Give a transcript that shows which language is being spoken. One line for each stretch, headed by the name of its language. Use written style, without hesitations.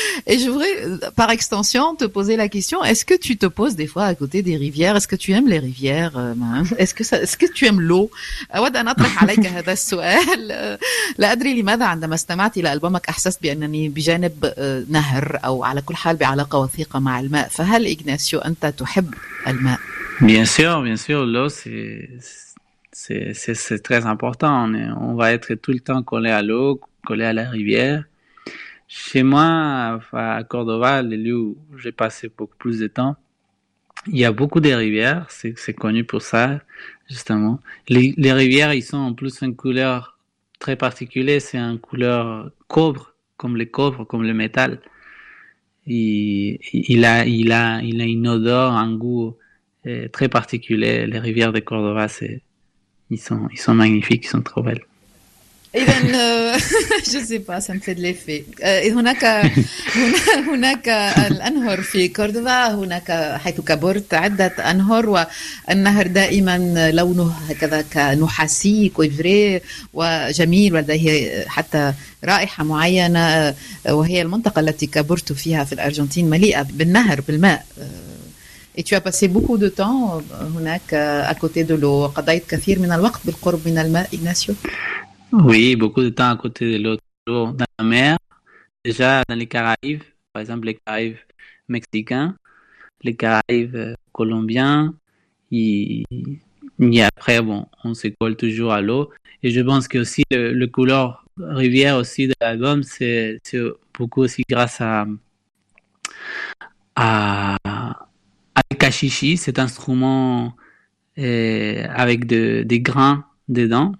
French: Et je voudrais, par extension, te poser la question. Est-ce que tu te poses des fois à côté des rivières? Est-ce que tu aimes les rivières? Est-ce que tu aimes l'eau?
Arabic: أود أن أطرح عليك هذا السؤال. لا أدري لماذا عندما استمعت إلى ألبومك أحسست بأنني بجانب نهر أو على كل حال بعلاقة وثيقة مع الماء. فهل إغناسيو أنت تحب الماء؟
French: Bien sûr, l'eau c'est très important. On va être tout le temps collé à l'eau, collé à la rivière. Chez moi, à Cordoba, le lieu où j'ai passé beaucoup plus de temps, il y a beaucoup de rivières, c'est connu pour ça, justement. Les rivières, ils sont en plus une couleur très particulière, c'est une couleur cobre, comme le cobre, comme le métal. Il a une odeur, un goût très particulier. Les rivières de Cordoba, ils sont magnifiques, ils sont trop belles.
Arabic: إذن
French: je sais pas, ça me fait de l'effet.
Arabic: هناك هناك الأنهر في كوردوفا، هناك حيث كبرت عدة أنهر، والنهر دائما لونه هكذا كنحاسي كويفري وجميل، ولديه حتى رائحة معينة، وهي المنطقة التي كبرت فيها في الأرجنتين مليئة بالنهر بالماء.
French: Et tu as passé beaucoup de temps
Arabic: هناك
French: à côté de l'eau.
Arabic: قضيت كثير من الوقت بالقرب من الماء. إغناسيو.
French: Oui, beaucoup de temps à côté de l'eau, toujours dans la mer, déjà dans les Caraïbes, par exemple les Caraïbes mexicains, les Caraïbes colombiens, et après, bon, on se colle toujours à l'eau. Et je pense que aussi le couleur rivière aussi de l'album, c'est beaucoup aussi grâce à le cachichi, cet instrument avec des grains dedans.